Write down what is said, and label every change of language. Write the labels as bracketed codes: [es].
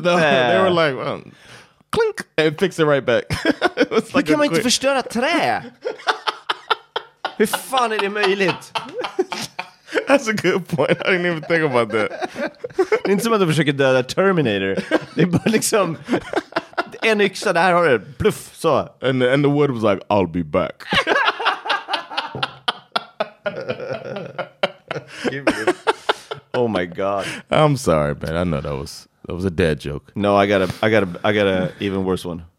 [en] They were like, clink, and fix it right back. [sv] Hur like kan man inte förstöra trä? Hur fan är det möjligt? [en] That's a good point. I didn't even think about that. [sv] Det är inte som att de försöker döda Terminator. Det är bara liksom... En yxa där har det. Pluff, så. [en] And the wood was like, I'll be back. Oh my god. I'm sorry, man. I know that was a dad joke. No, I got a even worse one.